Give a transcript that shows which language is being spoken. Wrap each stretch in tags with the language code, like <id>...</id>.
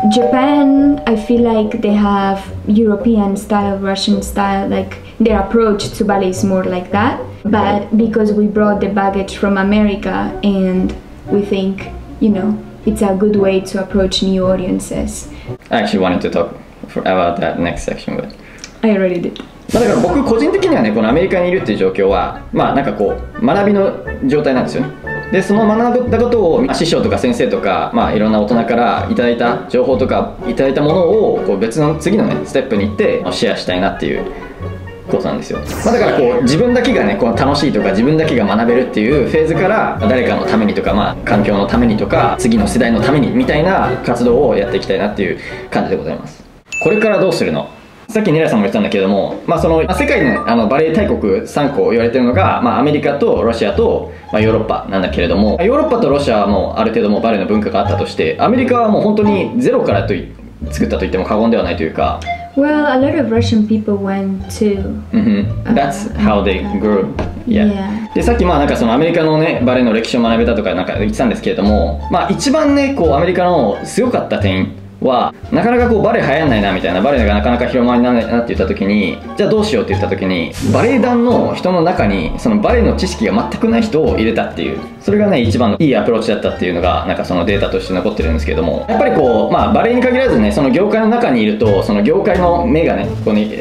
<en>Japan, I feel like they have European style, Russian style, like their approach to ballet is more like that. But because we brought the baggage from America and we think, you know, it's a good way to approach new audiences. I actually wanted to talk about that next section, but I already did.</en> <ja>まあ、だから僕個人的にはね、このアメリカにいるっていう状況は、まあなんかこう、学びの状態なんですよね。で、その学んだことを、まあ、師匠とか先生とか、まあいろんな大人からいただいた情報とか、いただいたものを、こう別の次のね、ステップに行って、シェアしたいなっていうことなんですよ。まあだからこう、自分だけがね、こう楽しいとか、自分だけが学べるっていうフェーズから、誰かのためにとか、まあ環境のためにとか、次の世代のためにみたいな活動をやっていきたいなっていう感じでございます。これからどうするの? さっきネラさんも言ったんだけども、まあその、まあ、世界 の, あのバレエ大国3個言われてるのが、まあアメリカとロシアと、まあ、ヨーロッパなんだけれども、ヨーロッパとロシアはもうある程度もバレエの文化があったとして、アメリカはもう本当にゼロから作ったと言っても過言ではないというか。</ja> <en>Well, a lot of Russian people went to. That's how they grew. Yeah.</en> <ja>で、さっきまあなんかそのアメリカのね、バレエの歴史を学べたとかなんか言ってたんですけれども、まあ一番ね、こうアメリカの強かった点、はなかなかこうバレエ流行んないなみたいなバレエがなかなか広まらないなって言った時にじゃあどうしようって言った時にバレエ団の人の中にそのバレエの知識が全くない人を入れたっていうそれがね一番のいいアプローチだったっていうのがなんかそのデータとして残ってるんですけどもやっぱりこう、まあ、バレエに限らずねその業界の中にいるとその業界の目がねここに</ja>